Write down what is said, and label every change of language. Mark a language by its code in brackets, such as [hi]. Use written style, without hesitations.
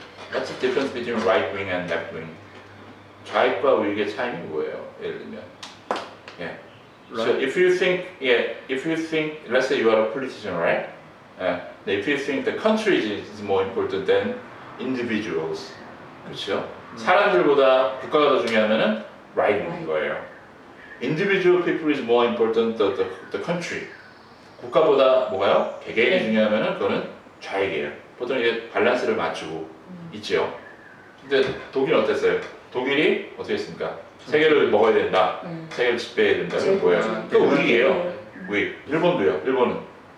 [en] What's the difference between right wing and left wing? [ko] 좌익과 우익의 차이는 뭐예요? 예를 들면. [en] Yeah. Right. So if you think, yeah, if you think, let's say you are a politician, right? Yeah. If you think the country is more important than individuals, [ko] 그렇죠? 사람들보다 국가가 더 중요하면은 right wing 거예요. [en] Individual people is more important than the country. [ko] 국가보다 뭐가요? 개개인이 중요하면은 그거는 좌익이에요. 보통 이제 밸런스를 맞추고 있죠. 근데 독일은 어땠어요? 독일이 어떻게 했습니까? 세계를 먹어야 된다. 세계를 지배해야 된다. 그게 뭐예요? 그게 우익이에요. 우익. 일본도요. 일본은.